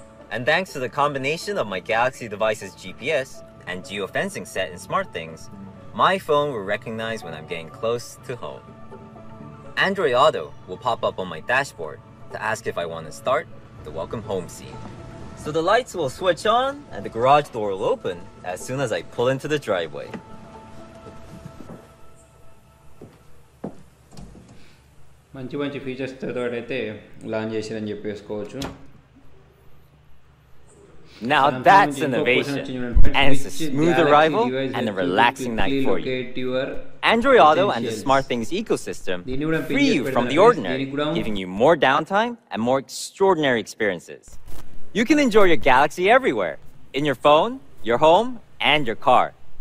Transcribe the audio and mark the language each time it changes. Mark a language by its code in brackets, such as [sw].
[en] And thanks to the combination of my Galaxy device's GPS and geofencing set in SmartThings, my phone will recognize when I'm getting close to home. Android Auto will pop up on my dashboard to ask if I want to start the welcome home scene. So the lights will switch on and the garage door will open as soon as I pull into the driveway. [te] మంచి మంచి ఫీచర్స్తో అయితే launch చేసిందని చెప్పేసుకోవచ్చు. [en] Now that's innovation, and it's a smooth arrival and a relaxing night for you. Android Auto and the SmartThings ecosystem free you from the ordinary, giving you more downtime and more extraordinary experiences. You can enjoy your Galaxy everywhere, in your phone, your home, and your car.